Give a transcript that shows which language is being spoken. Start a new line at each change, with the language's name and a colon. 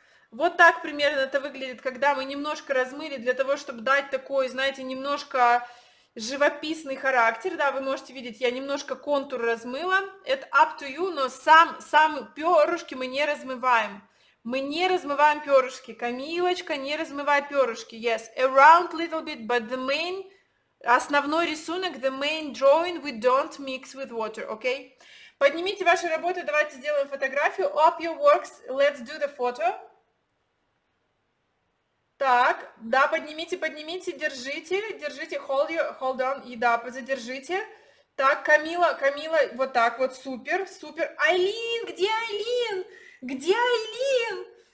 Russian: Вот так примерно это выглядит, когда мы немножко размыли для того, чтобы дать такой, знаете, немножко живописный характер. Да, вы можете видеть, я немножко контур размыла.
English: It's up to you,
Russian: но сам перышки мы не размываем. Мы не размываем перышки. Камилочка, не размывай перышки.
English: Yes, around little bit, but the main,
Russian: основной рисунок,
English: the main drawing, we don't mix with water, okay?
Russian: Поднимите ваши работы, давайте сделаем фотографию.
English: Up your works, let's do the photo.
Russian: Так, да, поднимите, держите,
English: hold your, hold on,
Russian: и да, задержите. Так, Камила, вот так вот, супер. Айлин, где Айлин?